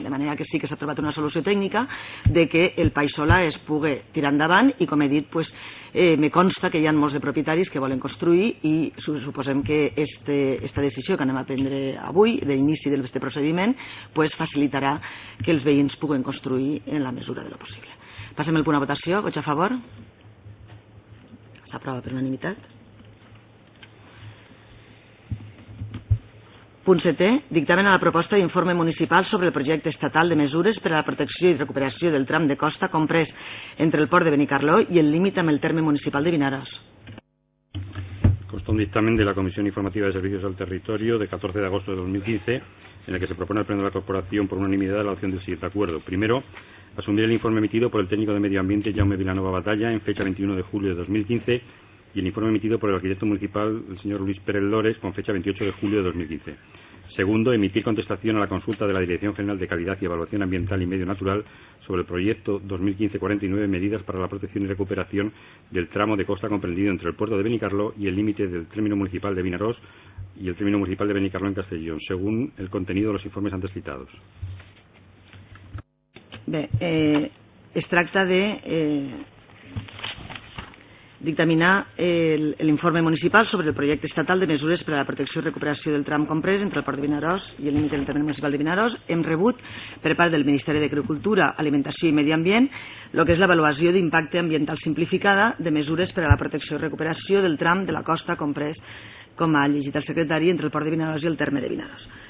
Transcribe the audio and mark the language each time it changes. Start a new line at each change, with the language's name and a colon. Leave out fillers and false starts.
Catalan: De manera que sí que s'ha trobat una solució tècnica de que el país sola es pugui tirar endavant, i com he dit, pues, me consta que hi ha molts de propietaris que volen construir, i suposem que esta decisió que anem a prendre avui d'inici d'aquest procediment pues, facilitarà que els veïns puguen construir en la mesura de lo possible. Passem el punt a votació. Vots a favor? S'aprova per unanimitat. Punt 7è. Dictamen a la proposta d'informe municipal sobre el projecte estatal de mesures per a la protecció i recuperació del tram de costa comprès entre el port de Benicarló i el límit amb el terme municipal de Vinaròs.
Spanish: un dictamen de la Comisión Informativa de Servicios al Territorio de 14 de agosto de 2015, en el que se propone al Pleno de la Corporación por unanimidad la adopción del siguiente acuerdo. Primero, asumir el informe emitido por el técnico de Medio Ambiente Jaume Vilanova Batalla en fecha 21 de julio de 2015 y el informe emitido por el arquitecto municipal, el señor Luis Pérez Lores, con fecha 28 de julio de 2015. Segundo, emitir contestación a la consulta de la Dirección General de Calidad y Evaluación Ambiental y Medio Natural sobre el proyecto 2015-49 Medidas para la Protección y Recuperación del Tramo de Costa comprendido entre el puerto de Benicarló y el límite del término municipal de Vinarós y el término municipal de Benicarló en Castellón, según el contenido de los informes antes citados.
Catalan: Bé, es tracta de dictaminar el informe municipal sobre el projecte estatal de mesures per a la protecció i recuperació del tram comprès entre el port de Vinarós i el límit del terme municipal de Vinarós. Hem rebut per part del Ministeri d'Agricultura, Alimentació i Medi Ambient el que és l'avaluació d'impacte ambiental simplificada de mesures per a la protecció i recuperació del tram de la costa comprès, com ha llegit el secretari, entre el port de Vinarós i el terme de Vinarós.